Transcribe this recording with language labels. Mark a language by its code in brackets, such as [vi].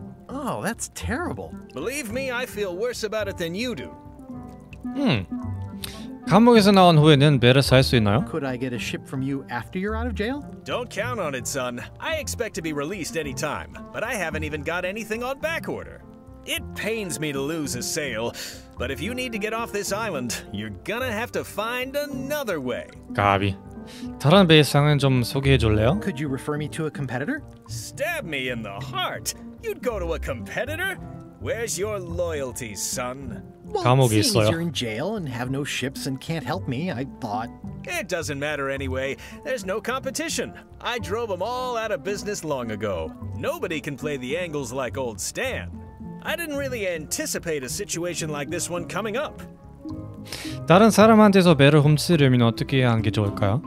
[en] Oh, that's terrible. Believe me, I feel worse about it than you do. Hmm. [ko] 감옥에서 나온 후에는 배를 살 수 있나요? [en] Could I get a ship from you after you're out of jail? Don't count on it, son. I expect to be released any time, but I haven't even got anything on back order. It pains me to lose a sail, but if you need to get off this island, you're gonna have to find another way. [ko] 가비, 다른 배의 상황 좀 소개해 줄래요? [en] Could you refer me to a competitor? Stab me in the heart! You'd go to a competitor? Where's your loyalty, son? Well, it seems you're in jail and have no ships and can't help me, I thought. It doesn't matter anyway. There's no competition. I drove them all out of business long ago. Nobody can play the angles like old Stan. I didn't really anticipate a situation like this one coming up. [ko] 다른 사람한테서 배를 훔치려면 어떻게 하는 게 좋을까요?